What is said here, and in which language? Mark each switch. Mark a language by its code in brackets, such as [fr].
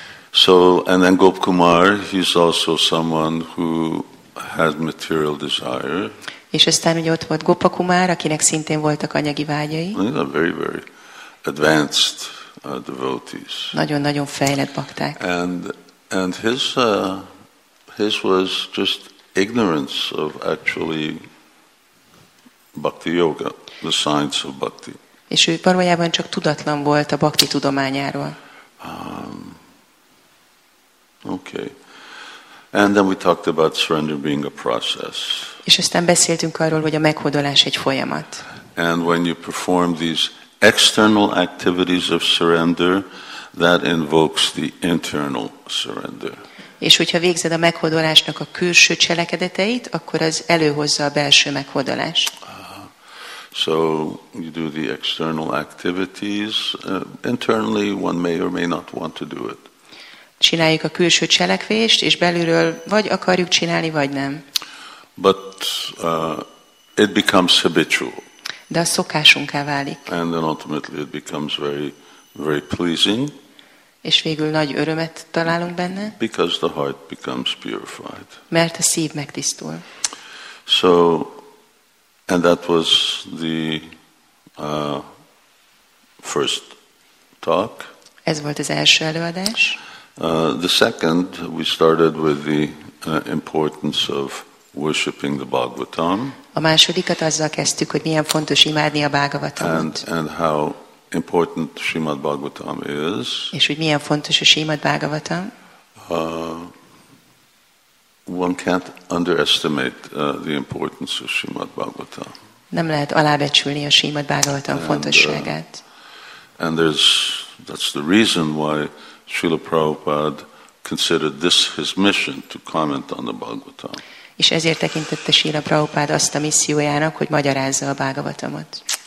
[en] So and then Gop Kumar, he's also someone who had material desire. [hu] És aztán ugye ott volt Gopa Kumar, akinek szintén voltak anyagi vágyai. [en] These are very, very advanced devotees. [hu] Nagyon-nagyon fejlett bakták. [en] And his was just ignorance of actually Bhakti yoga, the science of bhakti. [hu] És ő valójában csak tudatlan volt a bhakti tudományáról. [en] Okay. And then we talked about surrender being a process. [hu] És aztán beszéltünk arról, hogy a meghódolás egy folyamat. [en] And when you perform these external activities of surrender, that invokes the internal surrender. [hu] És hogyha végzed a meghódolásnak a külső cselekedeteit, akkor az előhozza a belső meghódolást. [en] So you do the external activities internally, one may or may not want to do it. [hu] csináljuk a külső cselekvést, és belülről vagy akarjuk csinálni, vagy nem. [en] But it becomes habitual. [hu] De a szokásunká válik. [en] And then ultimately it becomes very, very pleasing. [hu] És végül nagy örömet találunk benne. [en] Because the heart becomes purified. [hu] Mert a szív megtisztul. [en] So, and that was the first talk. [hu] Ez volt az első előadás. [en] The second, we started with the importance of worshiping the Bhagavatam. [hu] A másodikat azzal kezdtük, hogy milyen fontos imádni a Bhagavatamot. [en] And how important Srimad Bhagavatam is. [hu] És hogy milyen fontos a Srimad Bhagavatam. [en] One can't underestimate the importance of Srimad Bhagavatam. [hu] Nem lehet alábecsülni a Srimad Bhagavatam fontosságát. [en] And that's the reason why Srila Prabhupada considered this his mission to comment on the Bhagavatam. [hu] És ezért tekintette Srila Prabhupada azt a missziójának, hogy magyarázza a Bhagavatamot.